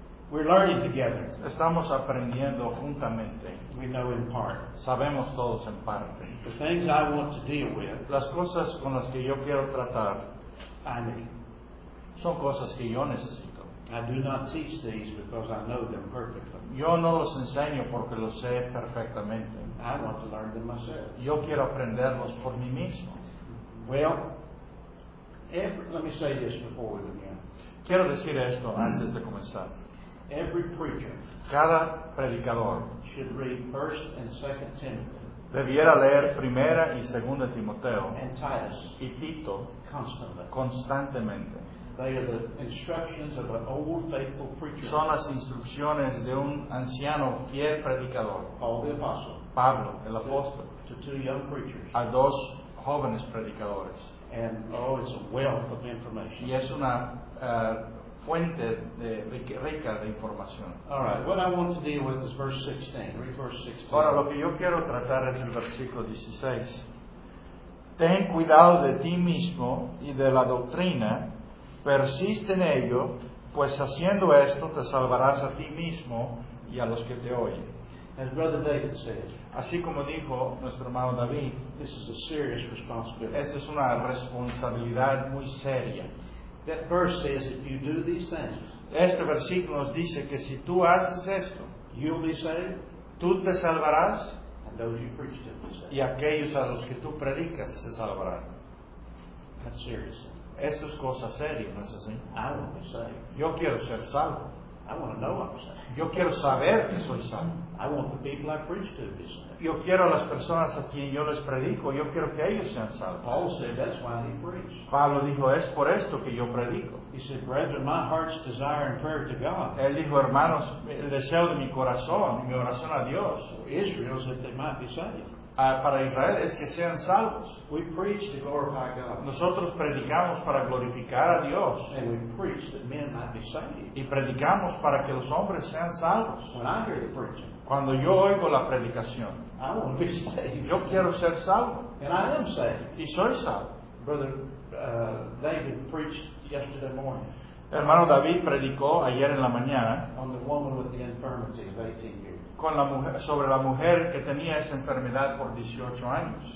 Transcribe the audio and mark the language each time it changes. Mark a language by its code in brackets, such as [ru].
[en] We're learning together. [es] Estamos aprendiendo juntamente. [en] We know in part. [es] Sabemos todos en parte. [en] The things I want to deal with. [es] Las cosas con las que yo quiero tratar. [en] I need. [es] Son cosas que yo necesito. [en] I do not teach these because I know them perfectly. [es] Yo no los enseño porque los sé perfectamente. [en] I want to learn them myself. [es] Yo quiero aprenderlos por mí mismo. [en] Well, let me say this before we begin. [es] Quiero decir esto antes de comenzar. [en] Every preacher, [es] cada predicador, [en] should read 1 and 2 Timothy. [es] Debiera leer Primera y Segunda Timoteo. [en] And Titus. [es] Y Tito. [en] Constantly. [es] Constantemente. [en] They are the instructions of an old faithful preacher. [es] Son las instrucciones de un anciano fiel predicador. [en] Paul the apostle. [es] Pablo el apóstol. [en] To two young preachers. [es] A dos jóvenes predicadores. [en] And oh, it's a wealth of information. [es] Y es una fuente de rica de información. [en] All right, what I want to deal with is verse 16. Read verse 16. [es] Ahora, lo que yo quiero tratar es el versículo 16. Ten cuidado de ti mismo y de la doctrina, persiste en ello, pues haciendo esto te salvarás a ti mismo y a los que te oyen. [en] As Brother David said, [es] así como dijo nuestro hermano David, [en] this is a serious responsibility. [es] Esta es una responsabilidad muy seria. [en] That verse says if you do these things, [es] este versículo nos dice que si tú haces esto, [en] you'll be saved, [es] tú te salvarás, [en] and those you preach to be saved. [es] Y aquellos a los que tú predicas se salvarán. [en] That's serious. [es] Esto es cosa seria, ¿no es así? [en] I will be saved. [es] Yo quiero ser salvo. [en] I want to know I'm saved. [es] Yo quiero saber que soy salvo. [en] I want the people I preach to be saved. [es] Yo quiero a las personas a quien yo les predico. Yo quiero que ellos sean salvos. [en] Paul said that's why he preached. [es] Pablo dijo, es por esto que yo predico. [en] He said, brethren, my heart's desire and prayer to God. [es] Él dijo, hermanos, el deseo de mi corazón, mi oración a Dios. [en] Israel said they might be saved. [es] para Israel es que sean salvos. [en] We preach to glorify God. [es] Nosotros predicamos para glorificar a Dios. [en] And we preach that men might be saved. [es] Y predicamos para que los hombres sean salvos. [en] When I hear the preaching, [es] cuando yo oigo la predicación, [en] I want to be saved. [es] Yo quiero ser salvo. [en] And I am saved. [es] Y soy salvo. [en] Brother David preached yesterday morning. [es] Hermano David predicó ayer en la mañana [en] on the woman with the infirmity of 18 years. [es] Con la mujer, sobre la mujer que tenía esa enfermedad por 18 años.